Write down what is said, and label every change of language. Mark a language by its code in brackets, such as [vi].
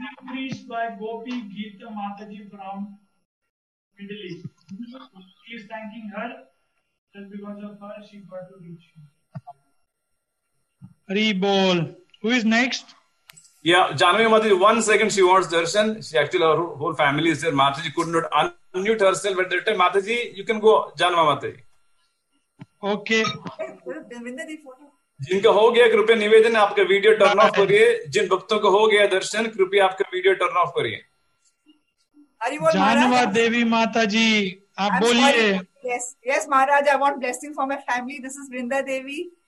[en] Please by Gopi Gita Mata ji from Middle East. Please thanking her just because of her she got to reach. [hi] Hari बोल. [en] Who is next? Yeah, Janavi Mataji, 1 second, she wants darshan. She actually, her whole family is there. Mataji could not unmute herself at that time. Mataji, you can go, Janavi Mataji. Okay [hi] जिनका हो गया कृपया निवेदन आपका video turn off करिए, जिन भक्तों को हो गया दर्शन कृपया आपका वीडियो टर्न ऑफ करिए। जानवा देवी माता जी आप बोलिए। [en] Yes Maharaj, I want blessing for my family, this is Vrinda Devi.